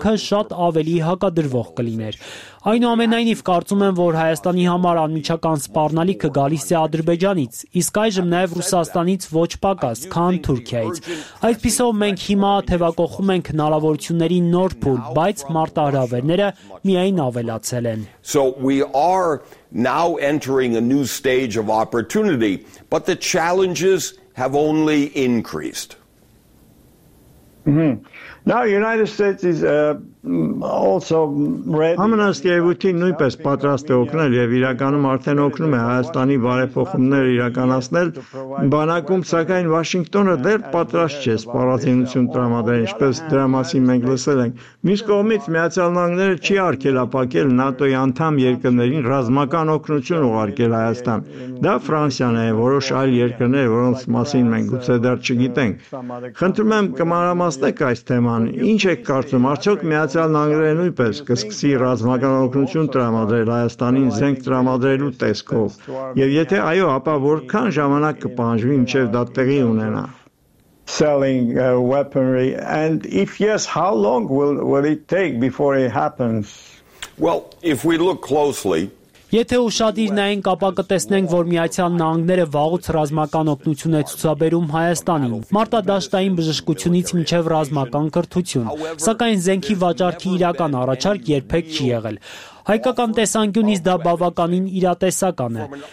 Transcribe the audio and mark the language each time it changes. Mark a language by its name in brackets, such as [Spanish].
[Armenian] կյանքը շատ ավելի հակադրվող կլիներ։ Այնուամենայնիվ կարծում եմ, որ Հայաստանի համար անմիջական սպառնալիքը գալիս է Ադրբեջանից, իսկ այժմ նաև Ռուսաստանից ոչ պակաս, քան Թուրքիայից։ Այդպիսով մենք հիմա թևակողում ենք հնարավորությունների նոր փուլ, բայց մարտահրավերները միայն ավելացել են։ [English] So we are now entering a new stage of opportunity, but the challenges have only increased. Now United States is also ready. [Armenian] Համանաստիևութին նույնպես պատրաստ է օգնել եւ իրականում արդեն օգնում է Հայաստանի բարեփոխումներ իրականացնել բանակում, սակայն Վաշինգտոնը դեռ պատրաստ չէ սպառազինություն տրամադրել, ինչպես դրա մասին մենք լսել ենք։ Մյուս կողմից Միացյալ Նահանգները չի արգելապակել ՆԱՏՕ-ի անդամ երկրներին ռազմական օգնություն ուղարկել Հայաստան։ Դա Ֆրանսիան է, որոշ այլ երկրներ, որոնց մասին մենք գուցե դեռ չգիտենք։ Խնդրում եմ կմանրամասնեք այս թեման։ Ինչ եք կարծում, արդյոք Միացյալ Նահանգները նույնպես կսկսի ռազմական օգնություն տրամադրել Հայաստանին զենք տրամադրելու տեսքով, եւ եթե այո, ապա որքան ժամանակ կպահանջվի, մինչեւ դա տեղի ունենա? [English] Selling weaponry, and if yes, how long will it take before it happens? Well, if we look closely, [Armenian] եթե ուշադիր նայենք, ապա կտեսնենք, որ Միացյալ Նահանգները վաղուց ռազմական օգնություն է ցուցաբերում Հայաստանին, մարտադաշտային բժշկությունից մինչև ռազմական կրթություն, սակայն զենքի վաճառքի իրական առաջարկ երբեք չի եղել։ Հայկական տեսանկյունից դա բավականին իրատեսական է։